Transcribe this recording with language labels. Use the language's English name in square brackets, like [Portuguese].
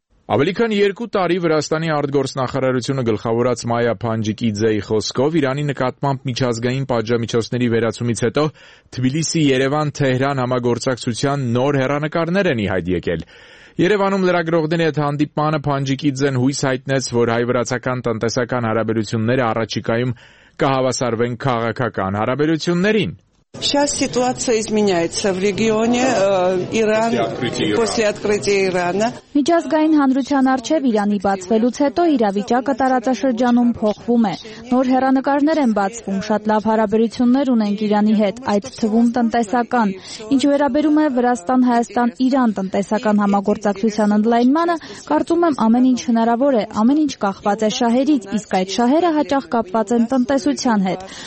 [Armenian] Ավելի քան երկու տարի Վրաստանի արտգործնախարարությունը գլխավորած Մայա Փանջիկիձեի խոսքով, Իրանի նկատմամբ միջազգային պատժամիջոցների վերացումից հետո Թբիլիսի-Երևան-Թեհրան համագործակցության նոր հեռանկարներ են ի հայտ եկել։ Երևանում լրագրողների հետ հանդիպմանը Փանջիկիձեն հույս հայտնեց, որ հայ-վրացական տնտեսական հարաբերությունները առաջիկայում կհավասարվեն քաղաքական հարաբերություններին։ [Russian] Сейчас ситуация изменяется в регионе. Иран после открытия Ирана. [Armenian] Միջազգային հանրության առջև Իրանի բացվելուց հետո իրավիճակը տարածաշրջանում փոխվում է։ Նոր հեռանկարներ են բացվում, շատ լավ հարաբերություններ ունենք Իրանի հետ, այդ թվում տնտեսական։ Ինչ վերաբերում է Վրաստան-Հայաստան-Իրան տնտեսական համագործակցության ընդլայնմանը, կարծում եմ ամեն ինչ հնարավոր է, ամեն ինչ կախված է շահերից, իսկ այդ շահերը հաճախ կապված են տնտեսության հետ։